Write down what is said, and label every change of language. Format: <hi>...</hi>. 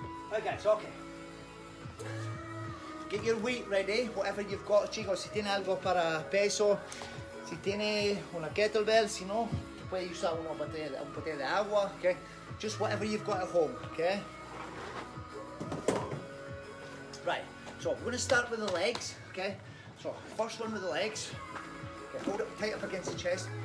<en>Right, guys, okay. Get your weight ready, whatever you've got, chicos.</en> <es>Si tiene algo para peso, si tiene una kettlebell, si no, puede usar una botella, un botella de agua, okay?</es> <en>Just whatever you've got at home, okay? Right, so we're gonna start with the legs, okay? So first one with the legs, okay, hold it tight up against the chest.</en>